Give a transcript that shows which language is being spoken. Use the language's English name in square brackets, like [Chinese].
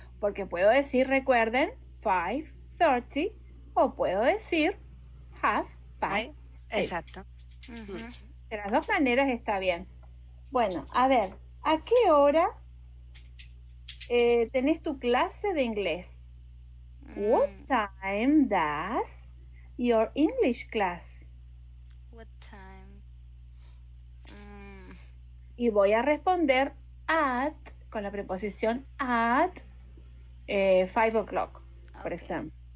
[Spanish] Porque puedo decir, recuerden, 5:30, o puedo decir [English] half past. [Spanish] Exacto. De las dos maneras está bien. Bueno, a ver, ¿a qué hora tenés tu clase de inglés? [English] What time does your English class? What time? [Spanish] Y voy a responder at, con la preposición at, 5:00, por ejemplo.